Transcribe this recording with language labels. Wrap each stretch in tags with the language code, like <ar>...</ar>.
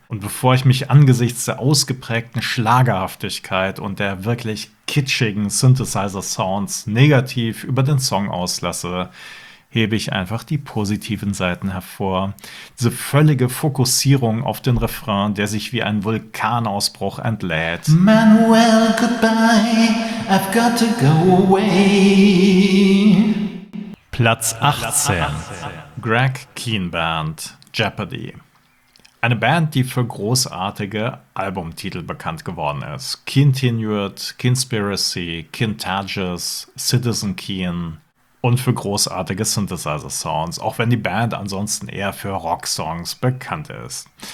<de>Und bevor ich mich angesichts der ausgeprägten Schlagerhaftigkeit und der wirklich kitschigen Synthesizer-Sounds negativ über den Song auslasse, hebe ich einfach die positiven Seiten hervor. Diese völlige Fokussierung auf den Refrain, der sich wie ein Vulkanausbruch entlädt.</de> <en>Manuel, goodbye, I've got to go away.</en> <de>Platz 18. Greg Keenband, Jeopardy. Eine Band, die für großartige Albumtitel bekannt geworden ist. Kintinued, Kinspiracy, Kintages, Citizen Keen und für großartige Synthesizer-Sounds, auch wenn die Band ansonsten eher für Rocksongs bekannt ist.</de>